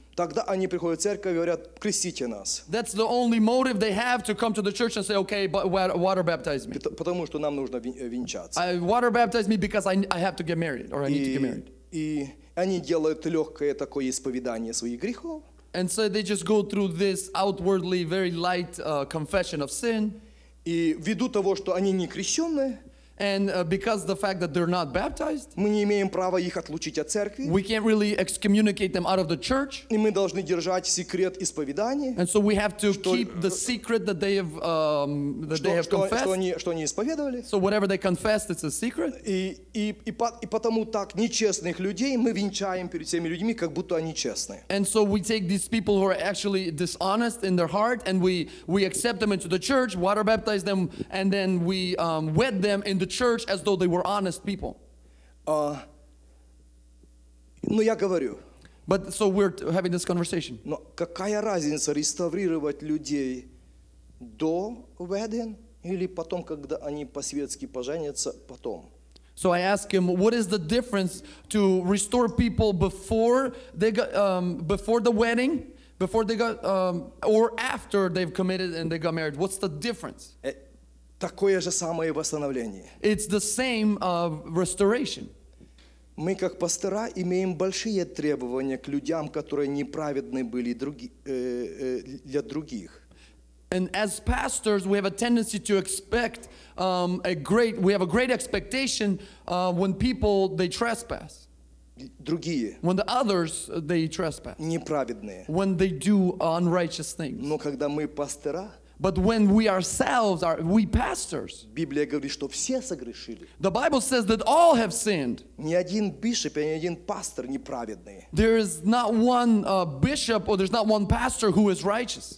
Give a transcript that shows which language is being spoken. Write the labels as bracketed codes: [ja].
[ru] Тогда они приходят в церковь и говорят, крестите нас. [en] That's the only motive they have to come to the church and say, okay, but water baptize me. [ru] Потому что нам нужно венчаться. [en] I water baptize me because I have to get married or I need to get married. [ru] И они делают легкое такое исповедание своих грехов. [en] And so they just go through this outwardly very light confession of sin. [ru] И ввиду того, что они не крещённые, [en] and because the fact that they're not baptized, [ru] мы не имеем права их отлучить от церкви. [en] We can't really excommunicate them out of the church. [ru] И мы должны держать секрет исповедания. [en] And so we have to keep the secret that they have confessed. [ru] Что они исповедовали? [en] So whatever they confessed, it's a secret. [ru] И потому так нечестных людей мы венчаем перед всеми людьми, как будто они честные. [en] And so we take these people who are actually dishonest in their heart, and we accept them into the church, water baptize them, and then we wed them in the church as though they were honest people. [ru] Ну я говорю. [en] But so we're having this conversation. [ru] Но какая разница реставрировать людей до [en] wedding [ru] или потом, когда они по-светски поженятся потом? [en] So I ask him, what is the difference to restore people before they got before the wedding, before they got or after they've committed and they got married? What's the difference? [ru] Такое же самое восстановление. [en] It's the same restoration. [ru] Мы как пастора имеем большие требования к людям, которые неправедны были для других. [en] And as pastors, we have a tendency to expect we have a great expectation when people they trespass. [ru] Другие. [en] When the others they trespass. [ru] Неправедные. [en] When they do unrighteous things. [ru] Но когда мы пастора. [en] But when we ourselves are, we pastors. [ru] Библия говорит, что все согрешили. [en] The Bible says that all have sinned. [ru] Ни один бишоп, ни один пастор неправедный. [en] There is not one bishop or there's not one pastor who is righteous.